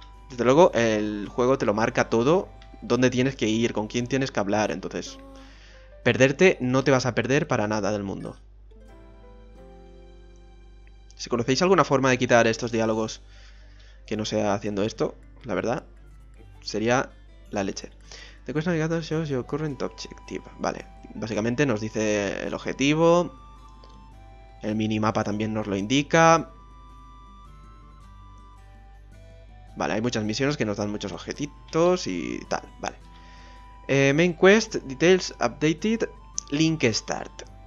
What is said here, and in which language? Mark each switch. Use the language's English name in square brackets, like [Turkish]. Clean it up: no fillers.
[Spanish] Desde luego, el juego te lo marca todo. Dónde tienes que ir, con quién tienes que hablar, entonces perderte no te vas a perder para nada del mundo. Si conocéis alguna forma de quitar estos diálogos que no sea haciendo esto, la verdad, sería la leche. [English] The quest navigator shows your current objective. [Spanish] Vale, básicamente nos dice el objetivo. El minimapa también nos lo indica. Vale, hay muchas misiones que nos dan muchos objetitos y tal, vale. [English] Main quest, details updated, Link start.